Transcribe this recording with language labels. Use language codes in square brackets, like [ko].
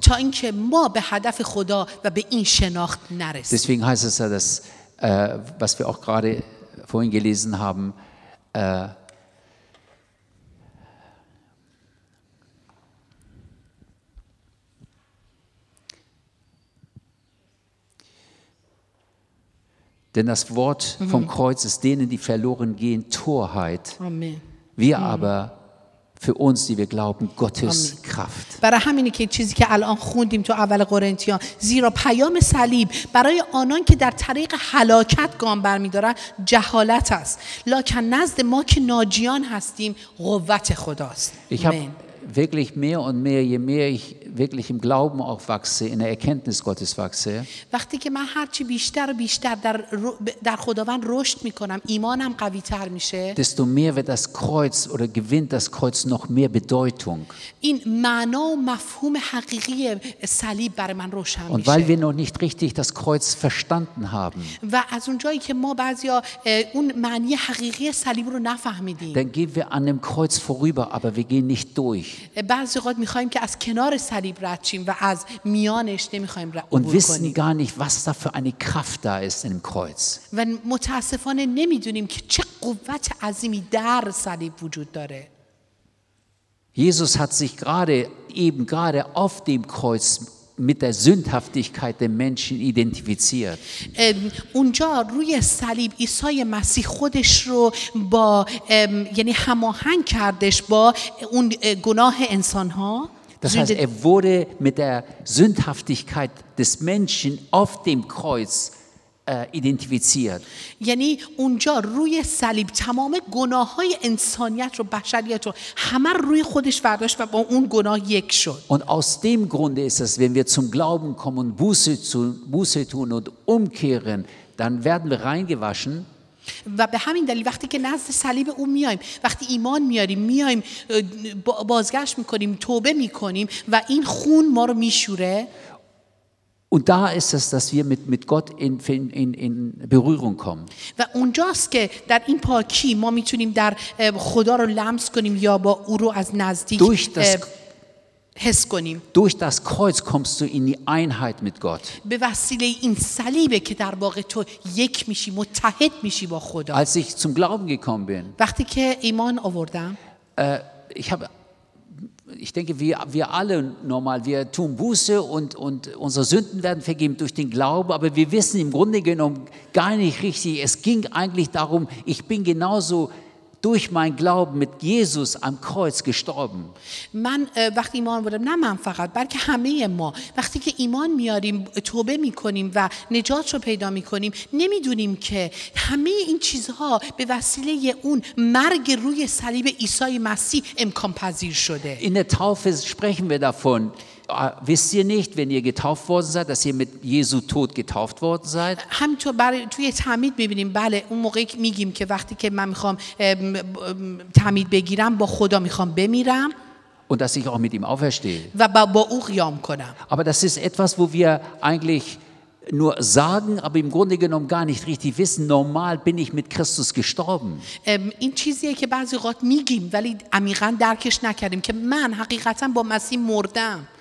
[fa] تا اینکه ما به هدف خدا و به این شناخت نرسیم. [de] Deswegen heißt es ja, dass was wir auch gerade vorhin gelesen haben, denn das Wort vom Kreuz ist denen, die verloren gehen, Torheit. Amen. Wir aber für uns, die wir glauben, Gottes Amen. Kraft. [fa] برای همینه که چیزی که الان خوندیم تو اول قرنتیان زیرا پیام صلیب برای آنان که در طریق هلاکت گام برمی‌دارند جهالت است. لکن نزد ما که ناجیان هستیم قوت خداست. [de] Ich habe wirklich mehr und mehr, je mehr ich wirklich im Glauben auch wachse, in der Erkenntnis Gottes wachse. [fa] وقتی که من هرچی بیشتر بیشتر در خداوند رشد میکنم ایمانم قوی تر میشه. [de] Desto mehr wird das Kreuz oder gewinnt das Kreuz noch mehr Bedeutung. [fa] این معنا و مفهوم حقیقی صلیب برای من روشن میشه. [de] Und weil wir noch nicht richtig das Kreuz verstanden haben. [fa] و از اونجایی که ما بعضیا اون معنی حقیقی صلیب رو نفهمیدیم. [de] Dann gehen wir an dem Kreuz vorüber, aber wir gehen nicht durch. [fa] بعضی وقت میخوایم که از کنار صلیب رد شیم و از میانش نمیخوایم رد کنیم. و [de] wissen gar nicht, was da für eine Kraft da ist in dem Kreuz. [fa] و متاسفانه نمیدونیم که چه قوت عظیمی در صلیب وجود داره. [de] Jesus hat sich gerade auf dem Kreuz mit der Sündhaftigkeit der Menschen identifiziert. [fa] اونجا روی صلیب عیسی مسیح خودش رو با یعنی هماهنگ کردش با اون گناه انسان‌ها. [de] Das heißt, er wurde mit der Sündhaftigkeit des Menschen auf dem Kreuz identifiziert. [fa] یعنی اونجا روی صلیب تمام گناه‌های انسانیت رو بشریت رو همه روی خودش برداشت و با اون گناه یک شد. [de] Und aus dem Grunde ist es, wenn wir zum Glauben kommen und Buße tun und umkehren, dann werden wir reingewaschen. [fa] و به همین دلیل وقتی که نزد صلیب او میایم وقتی ایمان میاریم میایم بازگشت میکنیم توبه میکنیم و این خون ما رو میشوره [de] Und da ist es, dass wir mit Gott in Berührung kommen. [fa] و اونجاست که در این پاکی ما میتونیم در خدا رو لمس کنیم یا با او رو از نزدیک [de] Durch das [fa] حس کنیم. [de] Durch das Kreuz kommst du in die Einheit mit Gott. [fa] به وسیله این صلیبه که در واقع تو یک میشی، متحد میشی با خدا. [de] Als ich zum Glauben gekommen bin. [fa] وقتی که ایمان آوردم. [de] Ich denke, wir alle normal, wir tun Buße und unsere Sünden werden vergeben durch den Glauben, aber wir wissen im Grunde genommen gar nicht richtig. Es ging eigentlich darum, ich bin genauso durch meinen Glauben mit Jesus am Kreuz gestorben. [fa] من وقتی ایمان بودم نه من فقط بلکه همه ما وقتی که ایمان میاریم توبه میکنیم و نجات رو پیدا میکنیم نمیدونیم که همه این چیزها به وسیله اون مرگ روی صلیب عیسی مسیح امکان پذیر شده. [de] In der Taufe sprechen wir davon. Wisst ihr nicht, wenn ihr getauft worden seid, dass ihr mit Jesu Tod getauft worden seid? [fa] همینطور برای توی تعمید می‌بینیم بله اون موقعی میگیم که وقتی که من می‌خوام تعمید بگیرم با خدا می‌خوام بمیرم [de] und dass ich auch mit ihm auferstehe. [fa] و با او قیام کنم. [de] Aber das ist etwas, wo wir eigentlich nur sagen, aber im Grunde genommen gar nicht richtig wissen. Normal bin ich mit Christus gestorben. [fa] این چیزیه که بعضی وقت میگیم ولی عمیقا درکش نکردیم که من حقیقتاً با مسیح مردم.